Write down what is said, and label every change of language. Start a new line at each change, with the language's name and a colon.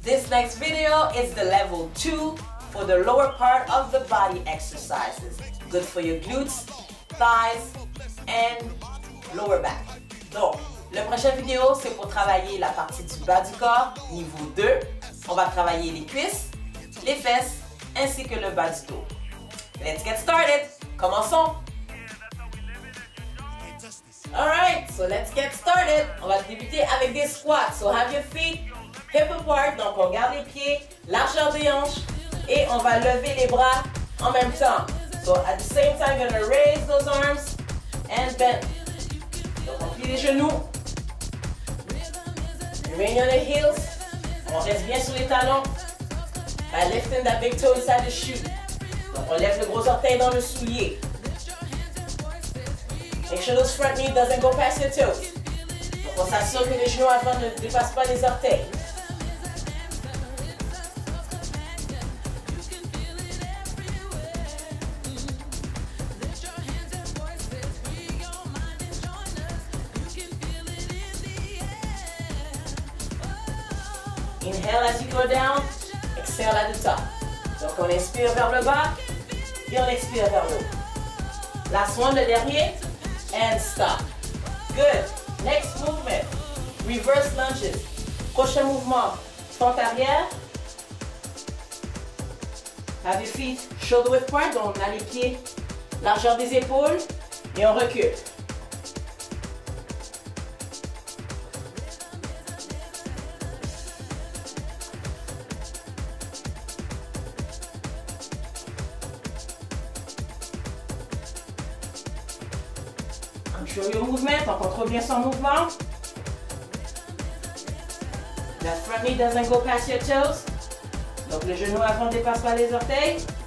English: next video is the level 2 for the lower part of the body exercises. Good for your glutes, thighs, and lower back.
French: Donc, le prochain vidéo, c'est pour travailler la partie du bas du corps, niveau 2. On va travailler les cuisses, les fesses, ainsi que le bas du dos.
English: Let's get started!
French: Commençons!
English: Alright, so let's get started!
French: On va débuter avec des squats.
English: So have your feet hip apart.
French: Donc on garde les pieds, largeur des hanches. Et on va lever les bras en même temps.
English: So at the same time, you're gonna raise those arms and bend.
French: Donc on plie les genoux.
English: Remain on the heels.
French: On reste bien sur les talons.
English: By lifting that big toe inside the shoe.
French: Donc on lève le gros orteil dans le soulier.
English: Make sure those front knee doesn't go past your toes.
French: Donc on s'assure que les genoux avant ne dépassent pas les orteils.
English: Inhale as you go down, exhale at the top.
French: Donc on inspire vers le bas, et on expire vers le haut.
English: Last one,
French: le dernier,
English: and stop. Good. Next movement, reverse lunges.
French: Prochain mouvement, front arrière.
English: Have your feet shoulder width apart,
French: donc on a les pieds, largeur des épaules, et on recule.
English: Show your movement,
French: on contrôle bien son mouvement.
English: The front knee doesn't go past your toes.
French: Donc le genou avant ne dépasse pas les orteils.